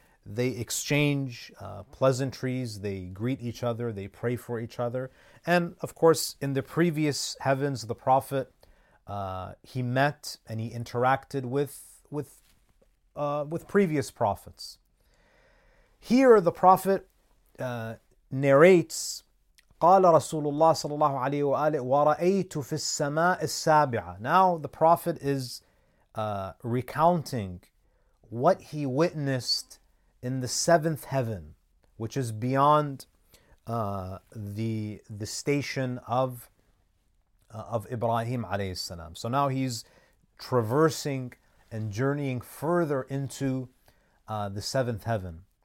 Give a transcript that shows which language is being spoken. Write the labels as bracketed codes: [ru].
[en] They exchange pleasantries, they greet each other, they pray for each other. And of course, in the previous heavens, the Prophet he met and he interacted with previous prophets. Here the Prophet narrates, [ar] قَالَ رَسُولُ اللَّهِ صَلَى اللَّهُ عَلَيْهُ وَآلِهِ وَرَأَيْتُ فِي السَّمَاءِ السَّابِعَةِ. [en] Now the Prophet is recounting what he witnessed in the seventh heaven, which is beyond the station of Ibrahim alayhi salam. So now he's traversing and journeying further into the seventh heaven.